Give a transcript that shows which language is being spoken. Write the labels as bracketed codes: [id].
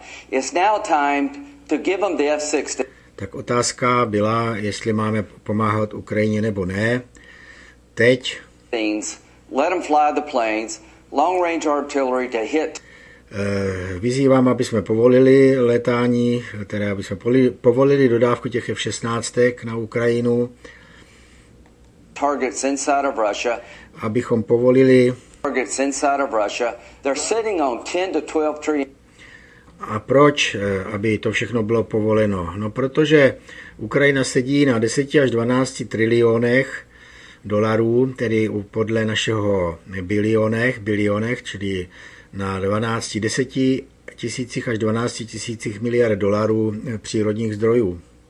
[en] It's now time to give them the F-16. [cs] Tak otázka byla, jestli máme pomáhat Ukrajině nebo ne. Teď [en] Let them fly the planes, long range artillery to hit. [cs] Vyzývám, aby jsme povolili letání, teda aby jsme povolili dodávku těch F-16 na Ukrajinu. [en] Targets inside of Russia. [cs] Abychom povolili. [en] Targets inside of Russia. They're sitting on 10 to 12 trillion. [cs] A proč, aby to všechno bylo povoleno? No protože Ukrajina sedí na 10 až 12 trilionech dolarů, tedy podle našeho bilionech, čili na 10 tisících až 12 tisících miliard dolarů přírodních zdrojů.